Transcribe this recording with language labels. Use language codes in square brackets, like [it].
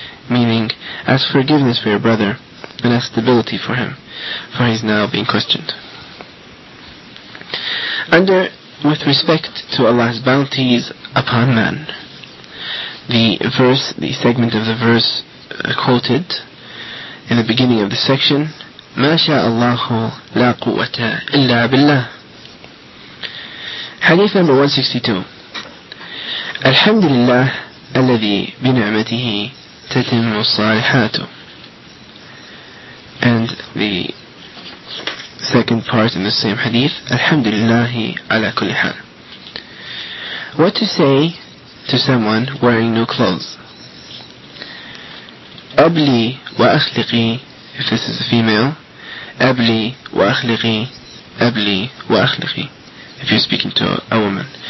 [en] Meaning, ask forgiveness for your brother and ask stability for him, for he is now being questioned. Under, with respect to Allah's bounties upon man, the verse, the segment of the verse quoted in the beginning of the section, [ar] ما شاء الله لا قوة إلا بالله. حديث [en] number 162. [ar] الحمد لله الذي بنعمته تتم الصالحات. [en] And the second part in the same hadith, [ar] الحمد لله على كل حال. [en] What to say to someone wearing new clothes? [ar] أبلي وأخلقي, [en] if this is a female, أبلي وأخلقي, أبلي وأخلقي, if you're speaking to a woman.